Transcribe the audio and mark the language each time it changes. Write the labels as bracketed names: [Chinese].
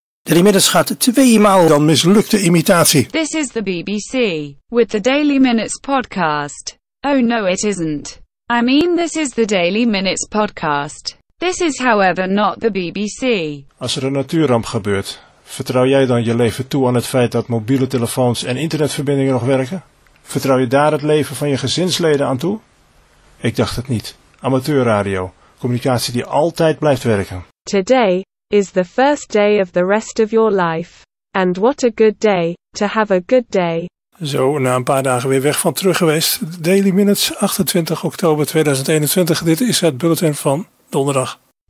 [Dutch] En inmiddels gaat het tweemaal dan mislukte imitatie. [English] This is the BBC, with the Daily Minutes podcast. Oh no, it isn't. I mean, this is the Daily Minutes podcast. This is however not the BBC. [Dutch] Als er een natuurramp gebeurt, vertrouw jij dan je leven toe aan het feit dat mobiele telefoons en internetverbindingen nog werken? Vertrouw je daar het leven van je gezinsleden aan toe? Ik dacht het niet. Amateurradio, communicatie die altijd blijft werken. [English] Today is the first day of the rest of your life. And what a good day, to have a good day. [Dutch] Zo, na een paar dagen weer weg van terug geweest. Daily Minutes, 28 oktober 2021. Dit is het bulletin van donderdag.